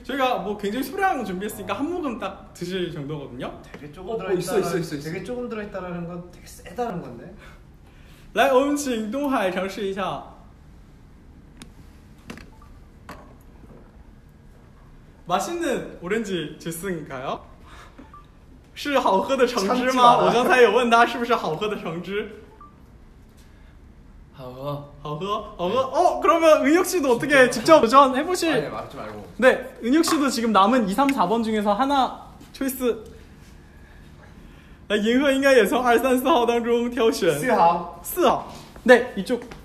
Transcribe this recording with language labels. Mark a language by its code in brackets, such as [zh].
[ko] 저희가 뭐 굉장히 소량 준비했으니까 한 모금 딱 드실 정도거든요. 되게 조금 들어있다. 있어. 되게 조금 들어있다라는 건 되게 세다는 건데. [zh] 来, 我们请 동하이 尝试一下. [ko] 맛있는 오렌지 주스인가요? [zh] 是好喝的橙汁吗? 我刚才有问他是不是好喝的橙汁? 好喝 [ko] 네. 그러면 은혁 씨도 어떻게 직접 도전해 보실? 아, 네, 맞지 말고. 네, 은혁 씨도 지금 남은 2, 3, 4번 중에서 하나 초이스. [zh] 银河应该也从 2, 3, 4号当中挑选. 4号. [ko] 네, 이쪽.